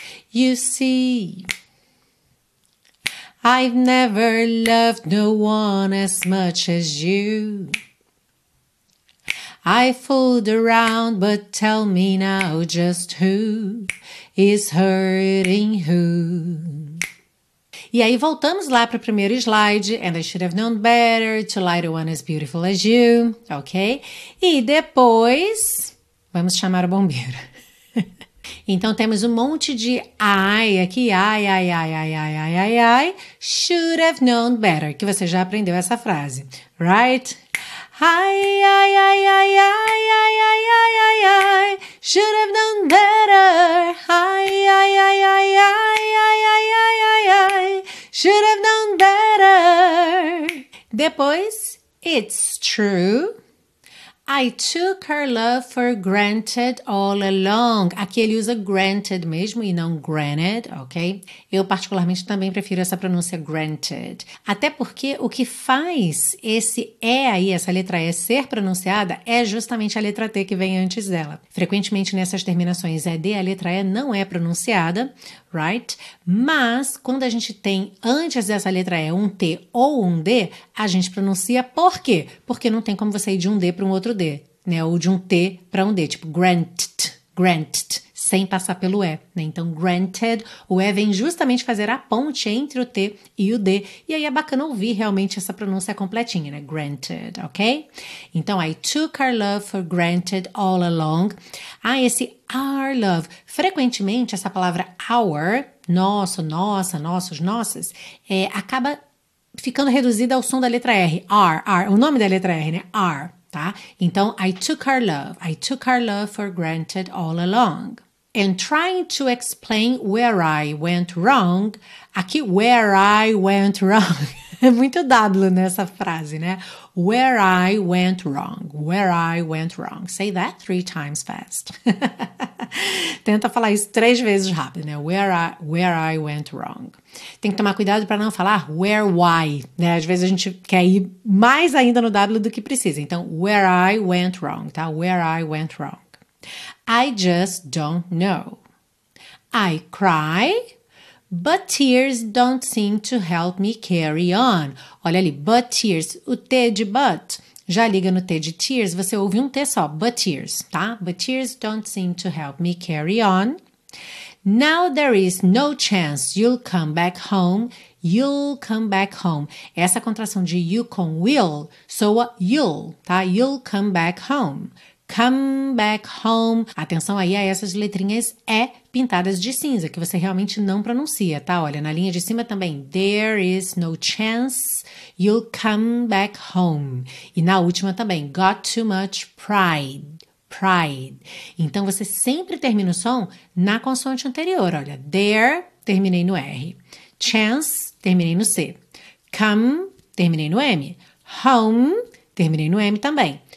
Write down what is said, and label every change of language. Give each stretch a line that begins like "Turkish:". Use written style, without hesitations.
English: You see, I've never loved no one as much as you. I fooled around, but tell me now just who is hurting who.
Portuguese: E aí voltamos lá para o primeiro slide.
English: And I should have known better to lie to one as beautiful as you. Ok?
Portuguese: E depois, vamos chamar o bombeiro. Então, temos um monte de I aqui, I, I, I, I, I, I, I, I,
English: should have known better,
Portuguese: que você já aprendeu essa frase,
English: right? I, I, I, I, I, I, I, I, I, I, should have known better, I, I, I, I, I, I, I, I, I, I, should have known better.
Portuguese: Depois,
English: it's true. I took her love for granted all along.
Portuguese: Aqui ele usa granted mesmo e não granted, ok? Eu particularmente também prefiro essa pronúncia granted. Até porque o que faz esse E aí, essa letra E ser pronunciada, é justamente a letra T que vem antes dela. Frequentemente nessas terminações ED, a letra E não é pronunciada,
English: right?
Portuguese: Mas quando a gente tem antes dessa letra E um T ou um D, a gente pronuncia por quê? Porque não tem como você ir de um D para um outro D, né? Ou de um T para um D, tipo granted, granted, sem passar pelo E, né? Então, granted, o E vem justamente fazer a ponte entre o T e o D. E aí é bacana ouvir realmente essa pronúncia completinha, né?
English: Granted, ok?
Portuguese: Então,
English: I took our love for granted all along.
Portuguese: Ah, esse
English: our love.
Portuguese: Frequentemente, essa palavra our, nosso, nossa, nossos, nossas, acaba ficando reduzida ao som da letra R. R, o nome da letra R, né? R. Tá? Então,
English: I took our love for granted all along. And trying to explain where I went wrong, aqui, where I went wrong,
Portuguese: é muito W nessa frase, né?
English: Where I went wrong, where I went wrong. Say that 3 times fast.
Portuguese: Tenta falar isso 3 vezes rápido, né?
English: Where I went wrong.
Portuguese: Tem que tomar cuidado para não falar where, why, né? Às vezes a gente quer ir mais ainda no W do que precisa. Então,
English: where I went wrong, tá? Where I went wrong. I just don't know. I cry, but tears don't seem to help me carry on.
Portuguese: Olha ali, but tears, o T de but, já liga no T de tears, você ouve um T só, but tears, tá?
English: But tears don't seem to help me carry on. Now there is no chance you'll come back home, you'll come back home.
Portuguese: Essa contração de you com will soa you'll, tá?
English: You'll come back home. Come back home.
Portuguese: Atenção aí a essas letrinhas E pintadas de cinza, que você realmente não pronuncia, tá? Olha, na linha de cima também.
English: There is no chance you'll come back home.
Portuguese: E na última também.
English: Got too much pride. Pride.
Portuguese: Então, você sempre termina o som na consoante anterior. Olha, there, terminei no R. Chance, terminei no C. Come, terminei no M. Home, terminei no M também.